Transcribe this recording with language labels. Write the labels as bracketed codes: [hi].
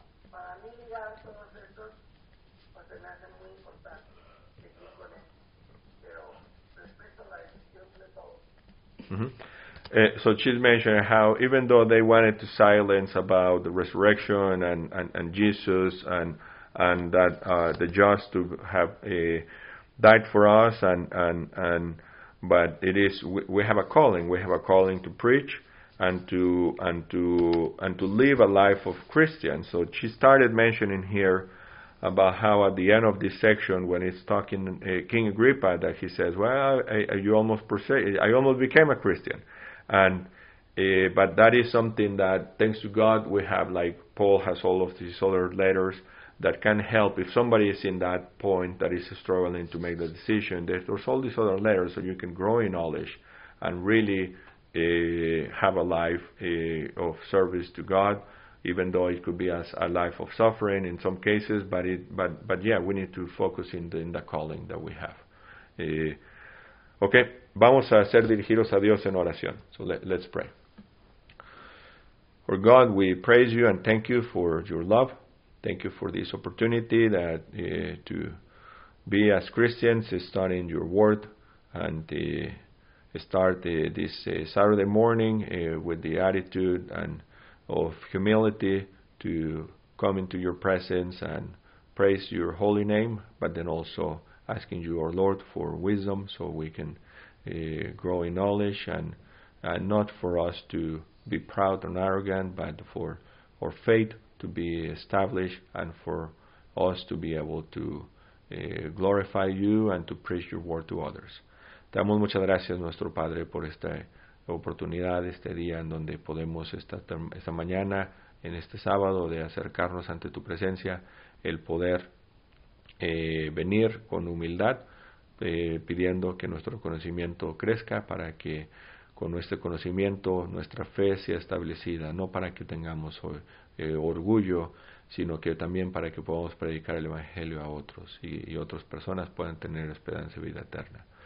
[es] Para mí, ya todos estos, pues se me hace muy importante seguir con él, pero respeto la decisión de todos. [en] So she's mentioning how even though they wanted to silence about the resurrection and Jesus and that the just to have died for us and but it is we have a calling to preach and to live a life of Christians. So she started mentioning here about how at the end of this section, when it's talking King Agrippa, that he says, "Well, I almost became a Christian." But that is something that, thanks to God, we have, like Paul has all of these other letters that can help if somebody is in that point that is struggling to make the decision. There's all these other letters so you can grow in knowledge and really have a life of service to God, even though it could be as a life of suffering in some cases. But we need to focus in the calling that we have. Okay. [es] Vamos a ser dirigidos a Dios en oración. [en] So let's pray. For God, we praise you and thank you for your love. Thank you for this opportunity that to be as Christians, studying your word, and start this Saturday morning with the attitude and of humility to come into your presence and praise your holy name, but then also asking you, our Lord, for wisdom so we can grow in knowledge and not for us to be proud and arrogant, but for our faith to be established and for us to be able to glorify you and to preach your word to others. [es] Damos muchas gracias, nuestro Padre, por esta oportunidad, este día en donde podemos esta mañana, en este sábado, de acercarnos ante tu presencia, el poder venir con humildad, pidiendo que nuestro conocimiento crezca para que con nuestro conocimiento nuestra fe sea establecida, no para que tengamos orgullo, sino que también para que podamos predicar el Evangelio a otros y otras personas puedan tener esperanza y vida eterna.